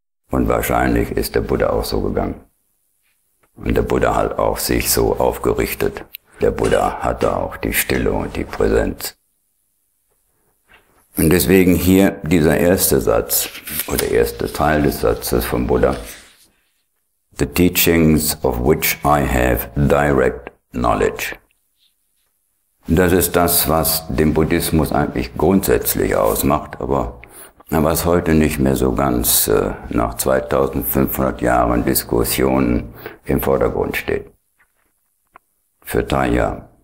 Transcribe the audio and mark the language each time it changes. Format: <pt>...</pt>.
<de>Und wahrscheinlich ist der Buddha auch so gegangen. Und der Buddha hat auch sich so aufgerichtet. Der Buddha hatte auch die Stille und die Präsenz. Und deswegen hier dieser erste Satz oder erste Teil des Satzes vom Buddha.</de> <en>The teachings of which I have direct knowledge.</en> <de>Das ist das, was den Buddhismus eigentlich grundsätzlich ausmacht, aber was heute nicht mehr so ganz nach 2500 Jahren Diskussionen im Vordergrund steht. Für Thay.</de>